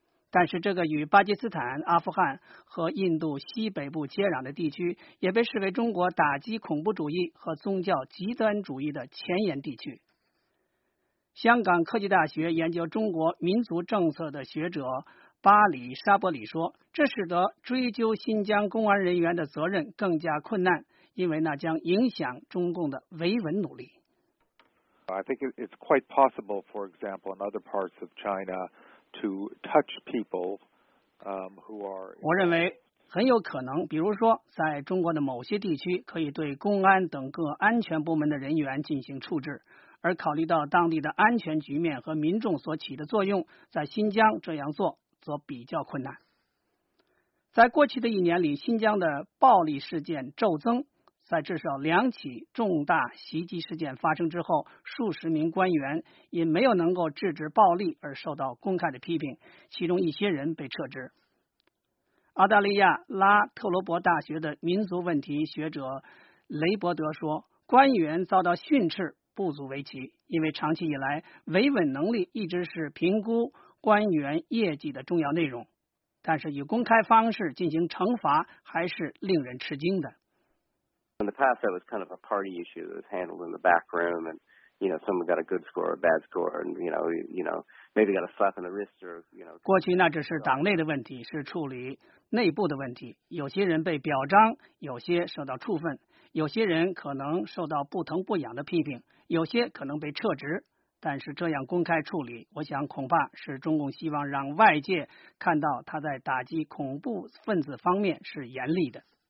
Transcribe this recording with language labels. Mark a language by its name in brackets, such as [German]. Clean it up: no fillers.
[Chinese] 但是这个与巴基斯坦、阿富汗和印度西北部接壤的地区也被视为中国打击恐怖主义和宗教极端主义的前沿地区。香港科技大学研究中国民族政策的学者巴里沙伯里说，这使得追究新疆公安人员的责任更加困难，因为那将影响中共的维稳努力。 [English] I think it's quite possible, for example, in other parts of China to touch people who are. [Chinese] 我认为很有可能，比如说在中国的某些地区，可以对公安等各安全部门的人员进行处置。而考虑到当地的安全局面和民众所起的作用，在新疆这样做则比较困难。在过去的一年里，新疆的暴力事件骤增。在至少两起重大袭击事件发生之后，数十名官员因没有能够制止暴力而受到公开的批评，其中一些人被撤职。澳大利亚拉特罗伯大学的民族问题学者雷伯德说，官员遭到训斥不足为奇，因为长期以来维稳能力一直是评估官员业绩的重要内容，但是以公开方式进行惩罚还是令人吃惊的。 [English] In the past, that was kind of a party issue that was handled in the back room, and you know, someone got a good score or a bad score, and you know, maybe got a slap in the wrist or you know. [Chinese] 过去那只是党内的问题，是处理内部的问题。有些人被表彰，有些受到处分，有些人可能受到不疼不痒的批评，有些可能被撤职。但是这样公开处理，我想恐怕是中共希望让外界看到他在打击恐怖分子方面是严厉的。